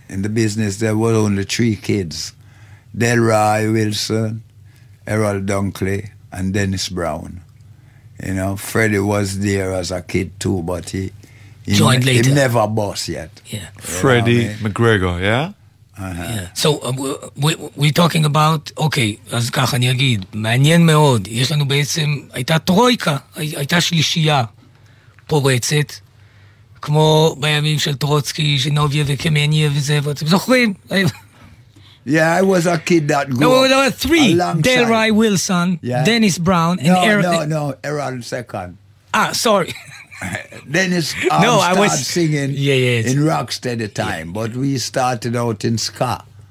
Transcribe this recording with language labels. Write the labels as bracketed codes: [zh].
[en] In the business, there were only three kids. Delroy Wilson, Errol Dunkley, and Dennis Brown. You know, Freddie was there as a kid too, but he joined later. He never bossed yet. Yeah. Freddie, you know, McGregor, yeah? So we're talking about, okay, [he] אז ככה אני אגיד, מעניין מאוד, יש לנו בעצם, הייתה טרויקה, הייתה שלישייה פורצת, כמו בימים של טרוצקי, ז'נוביה וקמניה וזה, ואתם זוכרים? [en] Yeah, I was a kid that grew up. There were three, Delroy Wilson, Dennis Brown, and Errol. No, Errol second. Ah, sorry. Dennis started singing in Rocksteady time, but we started out in ska.